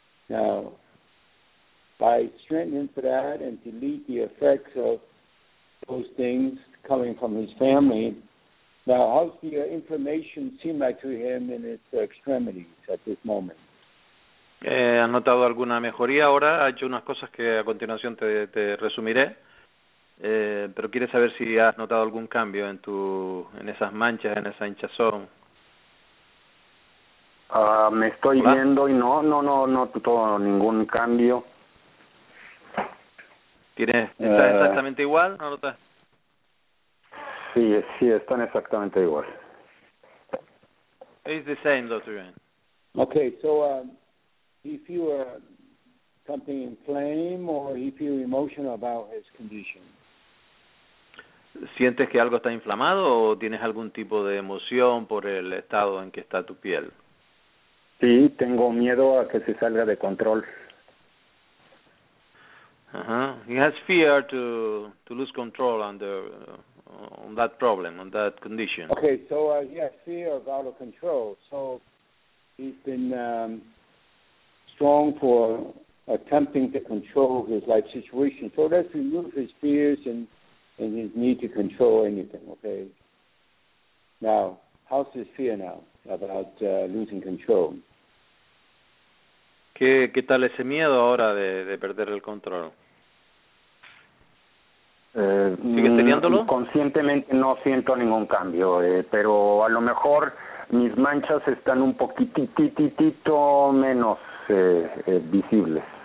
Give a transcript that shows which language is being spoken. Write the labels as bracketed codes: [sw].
[en] Now, by strengthening for that and delete the effects of those things coming from his family, now how's the inflammation seem like to him in his extremities at this moment? [es] ¿Has notado alguna mejoría ahora? Ha hecho unas cosas que a continuación te resumiré. Pero quieres saber si has notado algún cambio en esas manchas, en esa hinchazón. Me estoy viendo y no noto ningún cambio. ¿Estás exactamente igual? ¿No notas? Sí, están exactamente igual. [en] It's the same, Dr. Ryan. Okay, so if you are something inflamed or if you're emotional about his condition. [es] ¿Sientes que algo está inflamado o tienes algún tipo de emoción por el estado en que está tu piel? Sí, tengo miedo a que se salga de control. Uh-huh. [en] He has fear to lose control on that problem, on that condition. Okay, so he has fear of out of control. So he's been strong for attempting to control his life situation. So let's remove his fears and his need to control anything, okay? Now, how's his fear now about losing control? [es] ¿Qué tal ese miedo ahora de perder el control? ¿Sigue teniéndolo? Conscientemente no siento ningún cambio, pero a lo mejor mis manchas están un poquitito menos visibles.